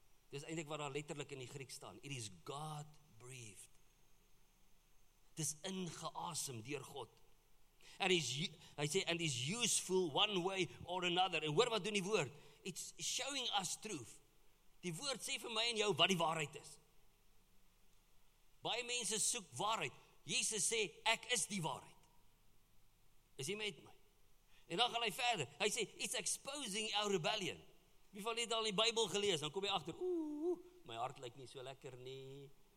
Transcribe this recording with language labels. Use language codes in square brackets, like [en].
[af] Dis eintlik wat daar letterlik in die Grieks staan. [en] It is God breathed. [af] Het is ingeasem deur God. [en] And is, [af] hy sê, [en] and is useful one way or another. [af] En hoor wat doen die woord? [en] It's showing us truth. [af] Die woord sê vir my en jou wat die waarheid is. Baie mense soek waarheid. Jesus sê, ek is die waarheid. Is hy met my? En dan gaan hy verder. Hy sê, [en] it's exposing our rebellion. [af] Wie van jy het al die Bybel gelees? Dan kom jy achter, my hart lyk nie so lekker nie.